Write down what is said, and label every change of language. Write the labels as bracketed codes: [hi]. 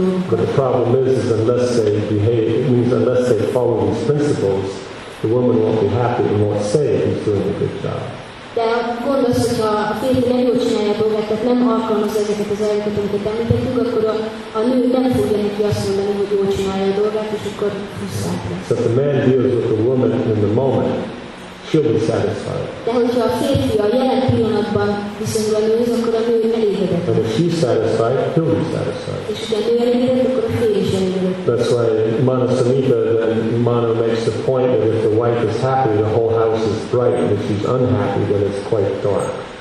[en] But the problem is unless they behave, it means unless they follow these principles, the woman won't be happy and won't say he's doing a good job. [hu] De a gond az, hogyha a férfi nem jól csinálja a dolgát, tehát nem alkalmazza ezeket az elveket, amiket említettünk, akkor a nő nem fogja neki azt mondani, hogy jól csinálja a dolgát, és akkor visszállt. [en] So the man deals with the woman in the moment, she'll be satisfied. [hu] De hogyha a férfi a jelen pillanatban viszont valóz, akkor a nő elégedett. [en] And if she's satisfied, he'll be satisfied. [hu] És ha nő elégedett, akkor a férfi is elégedett. [en] That's why Manasamita, then Mano makes the point that if the wife is happy, the whole house is bright, and if she's unhappy, then it's quite dark.